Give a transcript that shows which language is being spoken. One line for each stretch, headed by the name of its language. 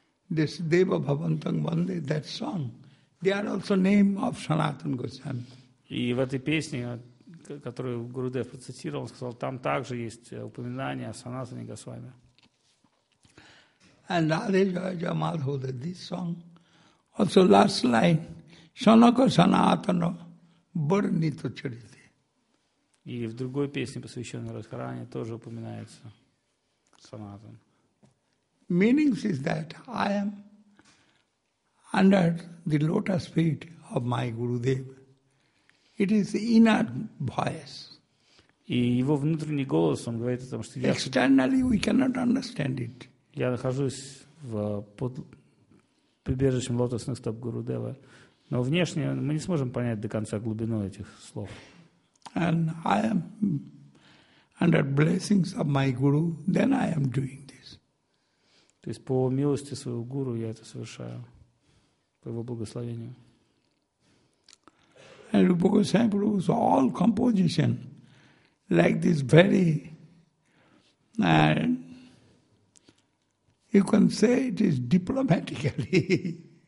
English: This Deva Bhavantang Vande, that song, they are also name of Sanatana Goswami.
Russian: И в этой песне, которую Гурудев процитировал, он сказал, там также есть упоминание о Санатане Госвами.
English: And Radhe Jaya Madhav, this song, also last line,
Bangla: Sanaka Sanatana Barnita Charite.
Russian: И в другой песне, посвященной Радхаране, тоже упоминается Санатан.
English: Meaning is that I am under the lotus feet of my Gurudev. It is the inner voice.
Russian: И его внутренний голос, он говорит о том, что я...
English: Externally we cannot understand it.
Russian: Я нахожусь под прибежищем лотосных стоп Гурудева, но внешне мы не сможем понять до конца глубину этих слов.
English: And I am under blessings of my Guru, then I am doing.
Russian: То есть по милости своего гуру я это совершаю, по его благословению.
English: And Rupa Goswami Prabhu's all composition, like this very, you can say it is diplomatically.